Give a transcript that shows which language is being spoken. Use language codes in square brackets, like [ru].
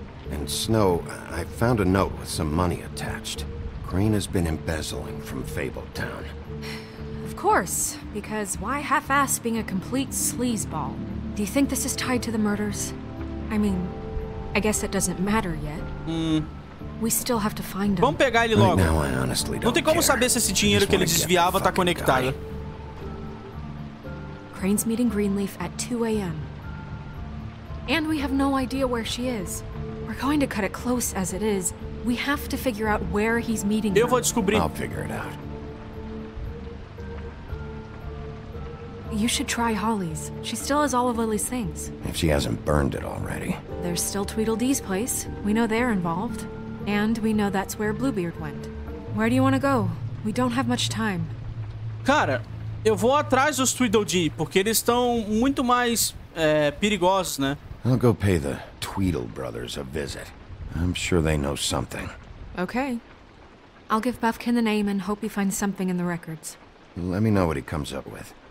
[en] And Snow, I found a note with some money attached. Crane has been embezzling from Fable Town. Of course, because why half-ass being a complete sleazeball? Do you think this is tied to the murders? I mean, I guess that doesn't matter yet. We still have to find him. [pt] Vamos pegar ele logo. [en] Right now, [pt] não tem como saber se esse dinheiro que ele desviava tá conectado. [en] Crane's meeting Greenleaf at 2 a.m. And we have no idea where she is. We're going to cut it close as it is. We have to figure out where he's meeting her. [pt] Eu vou descobrir. [en] I'll figure it out. You should try Holly's. She still has all of Lily's things. If she hasn't burned it already. There's still Tweedledee's place. We know they're involved. And we know that's where Bluebeard went. Where do you want to go? We don't have much time. [pt] Cara, eu vou atrás dos Tweedledee, porque eles estão muito mais perigosos, né? [en] I'll go pay the Tweedle brothers a visit. I'm sure they know something. Okay. I'll give Buffkin the name and hope he finds something in the records. Let me know what he comes up with.